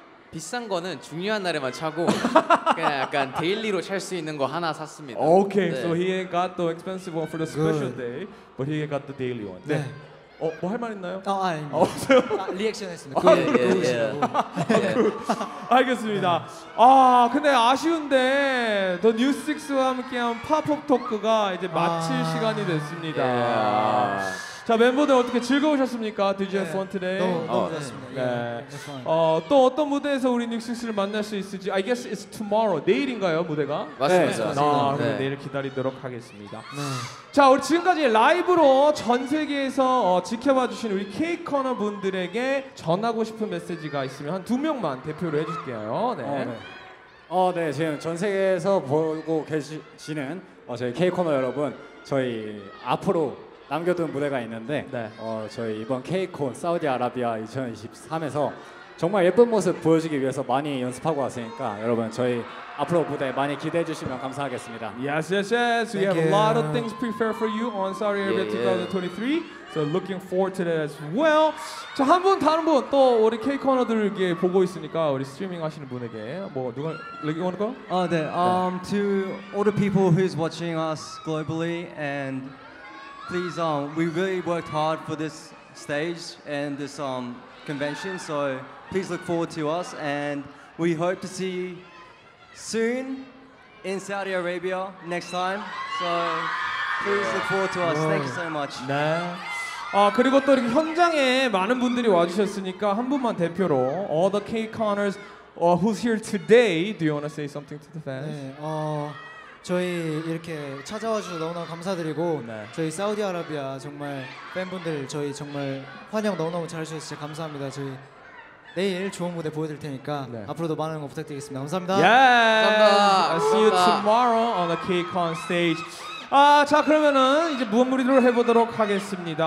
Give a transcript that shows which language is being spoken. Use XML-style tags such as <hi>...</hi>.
<ko>비싼 거는 중요한 날에만 차고 그냥 약간 데일리로 찰 수 있는 거 하나 샀습니다.</ko> <en>Okay, 네. so he got the expensive one for the special good. day, but he got the daily one.</en> <ko>네. 뭐 할 말 있나요? 아닙니다. 없어요? 리액션 했습니다. 굿. 예, 예, 예. 알겠습니다. 네. 근데 아쉬운데 더 뉴스6와 함께한 팝업 토크가 이제 마칠 시간이 됐습니다. 예. 자, 멤버들 어떻게 즐거우셨습니까?</ko> <en>Did you have fun today?</en> <ko>너무 좋았습니다. 네. 네. 또 어떤 무대에서 우리 뉴스6를 만날 수 있을지</ko> <en>I guess it's tomorrow.</en> <ko>내일인가요, 무대가? 맞습니다. 네. 맞습니다. 네. 내일 기다리도록 하겠습니다. 네. 자, 우리 지금까지 라이브로 전 세계에서 지켜봐 주신 우리 K-Corner 분들에게 전하고 싶은 메시지가 있으면 한 두 명만 대표로 해줄게요. 네. 네. 지금 전 세계에서 보고 계시는 저희 K-Corner 여러분, 저희 앞으로 남겨둔 무대가 있는데 네. 저희 이번 K-Con 사우디아라비아 2023에서 정말 예쁜 모습 보여주기 위해서 많이 연습하고 왔으니까 여러분 저희 앞으로 무대 많이 기대해 주시면 감사하겠습니다.</ko> <en>Yes, yes, yes. We have a lot of things prepared for you on Saudi Arabia 2023. So looking forward to that as well.</en> <ko>자, 한 분, 다른 분, 또 우리 K-Con들에게 보고 있으니까 우리 스트리밍 하시는 분에게 뭐 누가,</ko> <en>like you want to go?</en> <ko>네.</ko> <en>To all the people who's watching us globally and Please, we really worked hard for this stage and this convention, so please look forward to us, and we hope to see you soon in Saudi Arabia next time. So please look forward to us. Thank you so much.</en> <ko>네. 그리고 또 이렇게 현장에 많은 분들이 와주셨으니까 한 분만 대표로</ko> <en>all the K-Conners who's here today, do you want to say something to the fans?</en> <ko>네. 저희 이렇게 찾아와 주셔서 너무너무 감사드리고 네. 저희 사우디아라비아 정말 팬분들 저희 정말 환영 너무너무 잘해주셔서 진짜 감사합니다. 저희 내일 좋은 무대 보여드릴 테니까 네. 앞으로도 많은 거 부탁드리겠습니다. 감사합니다. 예!</ko> <en>Yes. I'll see you tomorrow on the K-Con stage.</en> <ko>자 그러면은 이제 무한무리로 해보도록 하겠습니다.</ko>